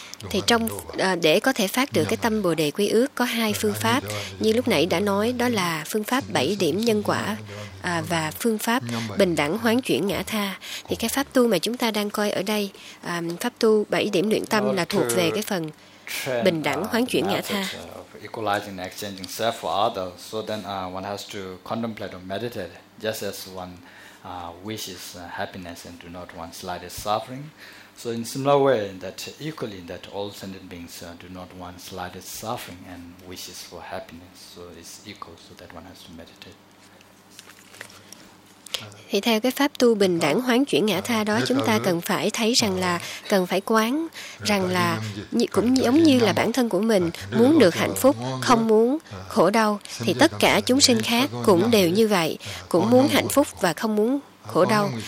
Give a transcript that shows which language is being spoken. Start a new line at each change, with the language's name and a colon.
Vietnamese: Thì trong để có thể phát được cái tâm bồ đề quy ước có hai phương pháp, như lúc nãy đã nói, đó là phương pháp bảy điểm nhân quả và phương pháp bình đẳng hoán chuyển ngã tha. Thì cái pháp tu mà chúng ta đang coi ở đây, pháp tu bảy điểm luyện tâm, là thuộc về cái phần bình đẳng hoán chuyển ngã tha.
English: Equalizing and exchanging self for others, so then one has to contemplate or meditate just as one wishes happiness and do not want slightest suffering. So in similar way, that equally that all sentient beings do not want slightest suffering and wishes for happiness, so it's equal, so that one has to meditate.
Vietnamese: Thì theo cái pháp tu bình đẳng hoán chuyển ngã tha đó, chúng ta cần phải thấy rằng là cần phải quán rằng là cũng giống như là bản thân của mình muốn được hạnh phúc, không muốn khổ đau, thì tất cả chúng sinh khác cũng đều như vậy, cũng muốn hạnh phúc và không muốn khổ đau.